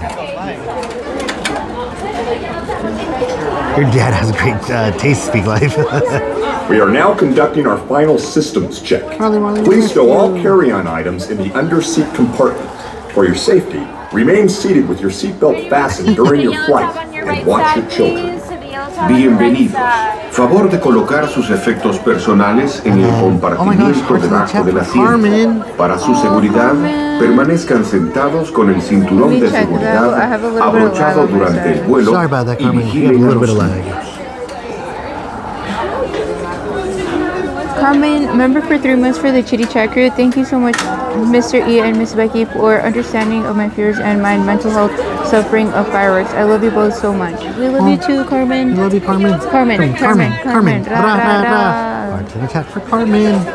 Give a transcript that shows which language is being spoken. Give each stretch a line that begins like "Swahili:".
English: Your dad has a great taste, speak life. We are now conducting our final systems check. Marley, please stow all carry-on items in the underseat compartment for your safety. Remain seated with your seatbelt fastened during your flight and watch your children.
Spanish: Bienvenidos. Favor de colocar sus efectos personales en el compartimiento debajo del asiento. Para su seguridad, permanezcan sentados con el cinturón de seguridad abrochado durante el vuelo y vigilen a los niños.
English: Carmen, remember for 3 months for the Chitty Chat Crew? Thank you so much, Mr. E and Miss Becky, for understanding of my fears and my mental health suffering of fireworks. I love you both so much. We love you too, Carmen. We love you, Carmen. Carmen. Ra, ra, ra. Watch the chat for Carmen.